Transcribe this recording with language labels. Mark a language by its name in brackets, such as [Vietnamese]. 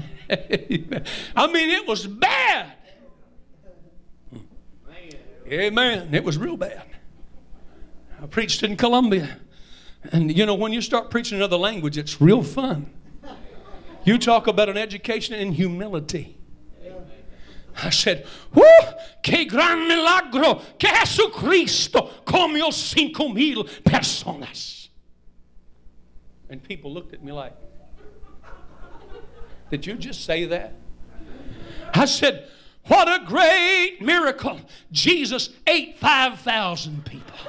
[English] Amen. I mean, it was bad. Amen. It was real bad. I preached in Colombia. And you know, when you start preaching another language, it's real fun. You talk about an education in humility. I said, whoo, [Spanish] que gran milagro, que Jesucristo comió 5,000 personas. [English] And people looked at me like, did you just say that? I said, What a great miracle. Jesus ate 5,000 people.